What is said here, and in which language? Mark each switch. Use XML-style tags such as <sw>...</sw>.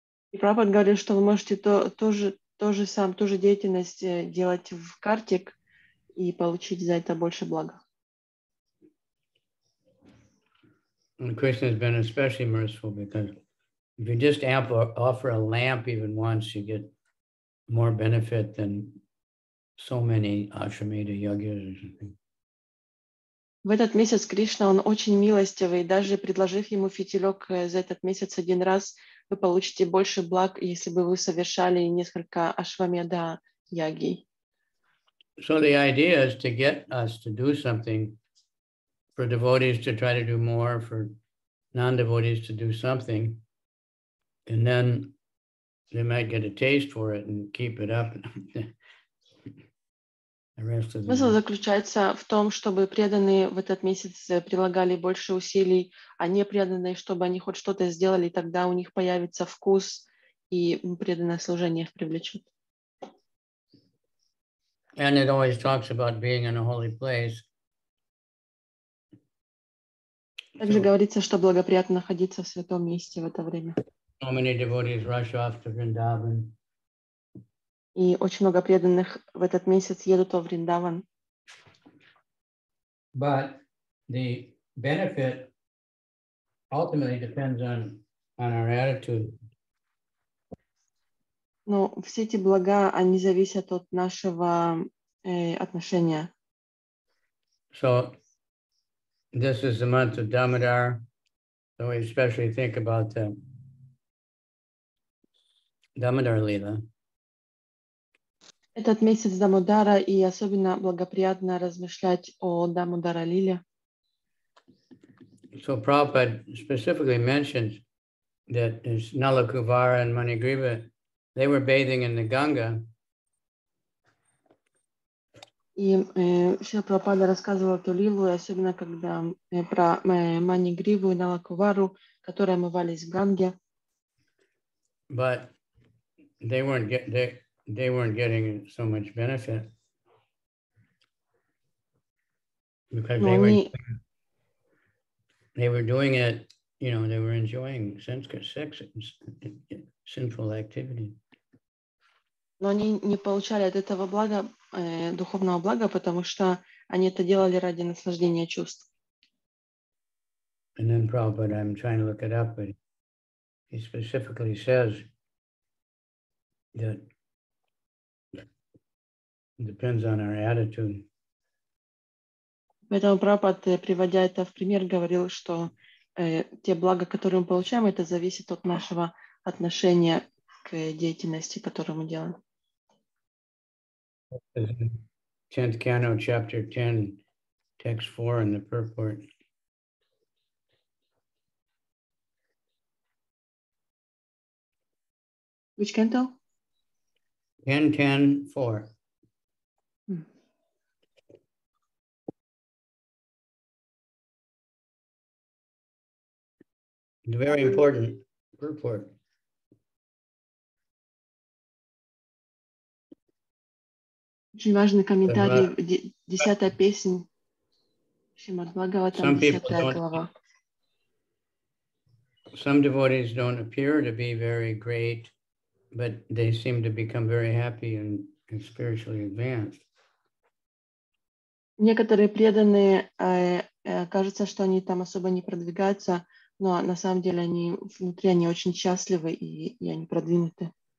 <ru>И Прабхупад говорит, что вы можете ту же деятельность делать в картик и получить за это больше блага.</ru> <en>And Krishna has been especially merciful because if you just offer a lamp even once, you get more benefit than so many ashrameda yagyas or something.</en> <ru>В этот месяц Кришна, он очень милостивый, даже предложив ему фитилек за этот месяц один раз, вы получите больше благ, если бы вы совершали несколько ашвамеда яги.</ru> <en>So the idea is to get us to do something, for devotees to try to do more, for non-devotees to do something, and then they might get a taste for it and keep it up.</en> <ru>Смысл заключается в том, чтобы преданные в этот месяц прилагали больше усилий, а не преданные, чтобы они хоть что-то сделали, тогда у них появится вкус и преданное служение их привлечет.</ru> <en>And it always talks about being in a holy place.</en> <ru>Также говорится, что благоприятно находиться в святом месте в это время.</ru> <en>How many devotees rush off to Vrindavan?</en> <ru>И очень много преданных в этот месяц едут во Вриндаван.</ru> <en>But the benefit ultimately depends on our attitude.</en> <ru>Но все эти блага, они зависят от нашего отношения.</ru> <en>So this is the month of Damodar. So we especially think about Damodar Lila.</en> <ru>Этот месяц Дамодара, и особенно благоприятно размышлять о Дамодара Лиле.</ru> <en>So Prabhupada specifically mentions that Nalakuvara and Manigriva, they were bathing in the Ganga.</en> <ru>И Шрила Прабхупада рассказывал эту лилу, особенно когда про Манигриву и Налакувару, которые омывались в Ганге.</ru> <en>But they weren't getting there. They weren't getting so much benefit because they were doing it, you know, they were enjoying sex and sinful activity.</en> <ru>Но они не получали от этого блага, духовного блага, потому что они это делали ради наслаждения чувств.</ru> <en>And then Prabhupada, I'm trying to look it up, but he specifically says that depends on our attitude.</en> <ru>Поэтому Прабхупад, приводя это в пример, говорил, что те блага, которые мы получаем, это зависит от нашего отношения к деятельности, которую мы делаем.</ru> <en>Tenth Canto, chapter 10, text 4 in the purport. Which canto? 10:10:4. Very important report.</en> <ru>Очень важный комментарий, десятая песня Шримад Бхагаватам, десятая глава.</ru> <en>some devotees don't appear to be very great, but they seem to become very happy and spiritually advanced.</en> <ru>Некоторые преданные кажется, что они там особо не продвигаются, но на самом деле они внутри они очень счастливы и они продвинуты.</ru>